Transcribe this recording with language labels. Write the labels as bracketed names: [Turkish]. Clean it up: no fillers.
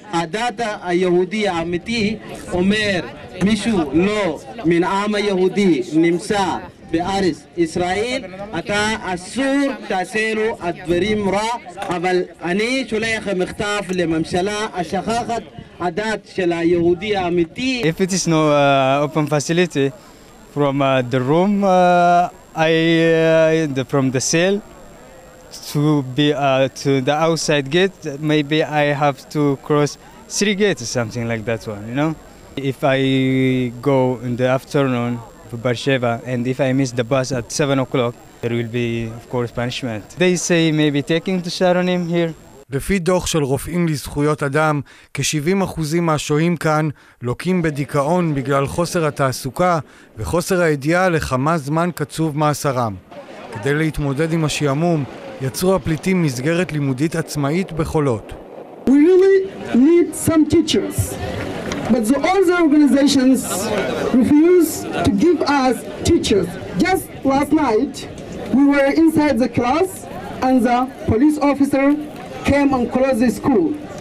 [Hebrew] הדת היהודי האמיתי אומר, מישהו לא מן העם היהודי נמצא בארץ ישראל, אתה אסור תעשה לו הדברים רע, אבל אני שולח מכתב לממשלה השכחת הדת של היהודי האמיתי. [English] If it is no open facility from the room, from the cell to be to the outside gate, maybe I have to cross 3 gates, something like that one, you know. If I go in the afternoon to Be'er Sheva and if I miss the bus at 7 o'clock, there will be of course punishment. They say maybe taking to Sharonim here. [Hebrew] לפי דוח של רופאים לזכויות אדם, כ-70% מהשוהים כאן לוקים בדיכאון בגלל חוסר התעסוקה וחוסר הידיעה לכמה זמן קצוב מאסרם. כדי להתמודד עם השיעמום, יצרו הפליטים מסגרת לימודית עצמאית בחולות. [English] We really need some teachers, but the other organizations refuse to give us teachers. Just last night, we were inside the class and the police officer came and closed the school.